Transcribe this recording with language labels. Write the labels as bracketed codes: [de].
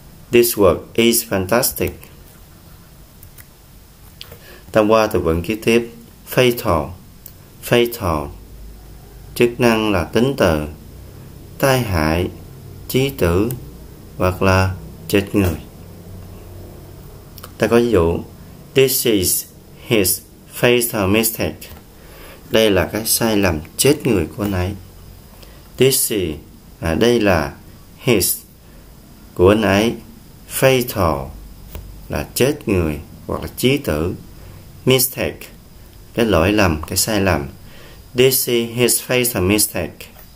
[en] This work is fantastic. [vi] Ta qua từ vựng kế tiếp: fatal. Fatal chức năng là tính từ, tai hại, chí tử, hoặc là chết người. Ta có ví dụ: [en] This is his fatal mistake. [vi] Đây là cái sai lầm chết người của anh ấy. [en] This is, [vi] đây là his của anh ấy. Fatal là chết người hoặc là chí tử. Mistake, cái lỗi lầm, cái sai lầm. [en] This is his fatal mistake.